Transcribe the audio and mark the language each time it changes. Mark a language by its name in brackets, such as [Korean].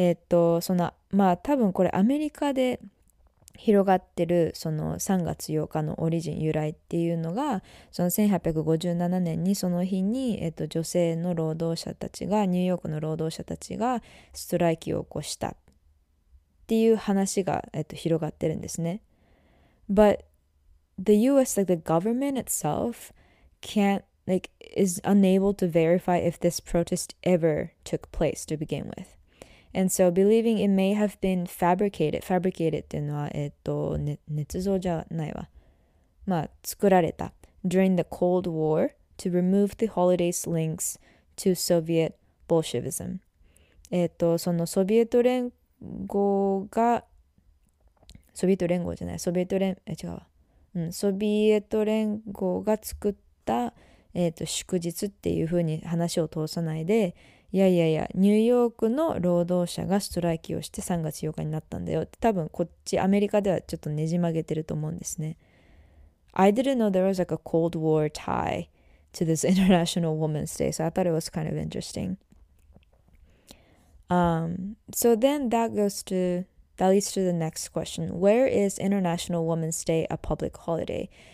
[Japanese] 多分これアメリカで広がってる3月8日のオリジン由来っていうのが、1857年にその日に、女性の労働者たちが、ニューヨークの労働者たちがストライキを起こした。っていう話が、広がってるんですね。 [English] But the US, like the government itself, can't, like, is unable to verify if this protest ever took place to begin with. And so believing it may have been fabricated [Japanese] っていうのは、捏造じゃないわ。まあ、作られた。 [English] During the Cold War to remove the holiday's links to Soviet Bolshevism. [Japanese] ソビエト連合が、ソビエト連合じゃない、ソビエト連、え、違うわ、うん、ソビエト連合が作った、祝日っていうふうに話を通さないで、いやいやいや、ニューヨークの労働者がストライキをして3月8日になったんだよって、多分こっちアメリカではちょっとねじ曲げてると思うんですね。 [English] I didn't know there was like a Cold War tie to this International Women's Day, so I thought it was kind of interesting. So then that leads to the next question. Where is International Women's Day a public holiday?